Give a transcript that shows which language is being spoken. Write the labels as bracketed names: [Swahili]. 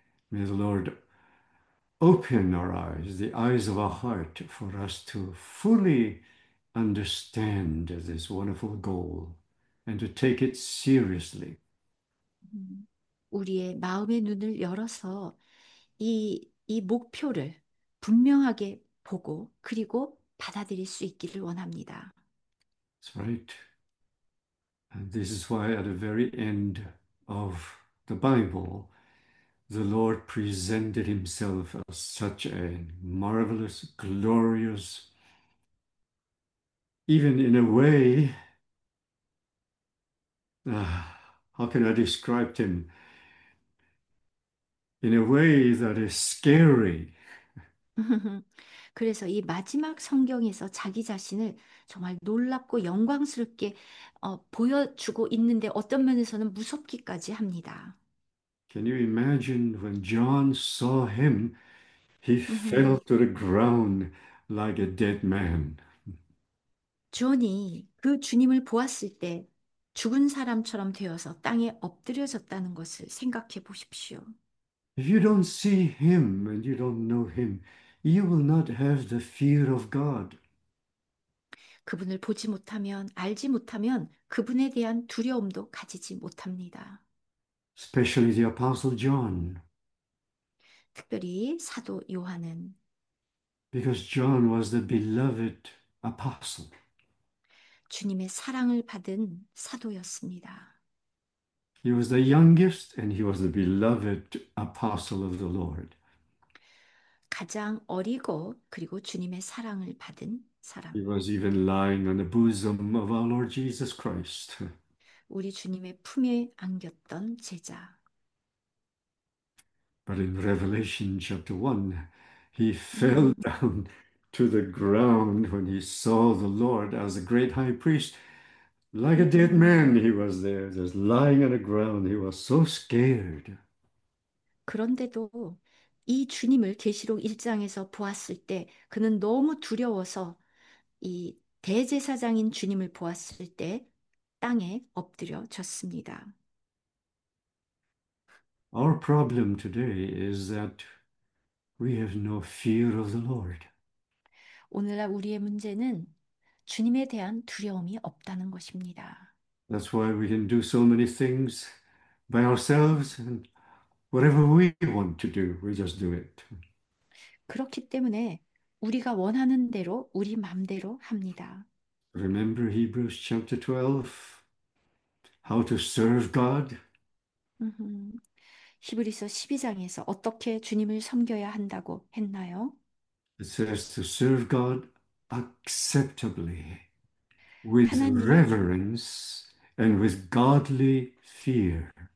[English] May the Lord open our eyes, the eyes of our heart, for us to fully understand this wonderful goal and to take it seriously. [Korean] 우리의 마음의 눈을 열어서 이 목표를 분명하게 보고 그리고 받아들일 수 있기를 원합니다. [English] Right. And this is why at the very end of the Bible, the Lord presented himself as such a marvelous, glorious, even in a way, how can I describe him? In a way that is scary. [Korean] 그래서 이 마지막 성경에서 자기 자신을 정말 놀랍고 영광스럽게 보여주고 있는데 어떤 면에서는 무섭기까지 합니다. [English] Can you imagine when John saw him, he fell to the ground like a dead man. [Korean] 존이 그 주님을 보았을 때 죽은 사람처럼 되어서 땅에 엎드려졌다는 것을 생각해 보십시오. [English] If you don't see him and you don't know him, you will not have the fear of God. [Korean] 그분을 보지 못하면, 알지 못하면 그분에 대한 두려움도 가지지 못합니다. [English] Especially the Apostle John. [Korean] 특별히 사도 요한은 [English] Because John was the beloved apostle. [Korean] 주님의 사랑을 받은 사도였습니다. [English] He was the youngest and he was the beloved apostle of the Lord. [Korean] 가장 어리고 그리고 주님의 사랑을 받은 사람. [English] He was even lying on the bosom of our Lord Jesus Christ. [Korean] 우리 주님의 품에 안겼던 제자. [English] But in Revelation chapter 1, he fell down to the ground when he saw the Lord as a great high priest. Like a dead man, he was there, just lying on the ground. He was so scared. [Korean] 그런데도 이 주님을 계시록 1장에서 보았을 때 그는 너무 두려워서 이 대제사장인 주님을 보았을 때 땅에 엎드려졌습니다. [English] Our problem today is that we have no fear of the Lord. [Korean] 오늘날 우리의 문제는 주님에 대한 두려움이 없다는 것입니다. [English] That's why we can do so many things by ourselves and whatever we want to do, we just do it. [Korean] 그렇기 때문에 우리가 원하는 대로 우리 맘대로 합니다. [English] Remember Hebrews chapter 12, how to serve God? [Korean] 히브리서 12장에서 어떻게 주님을 섬겨야 한다고 했나요? [English] It says to serve God acceptably, with [Korean] 하나님을 [English] reverence and with godly fear.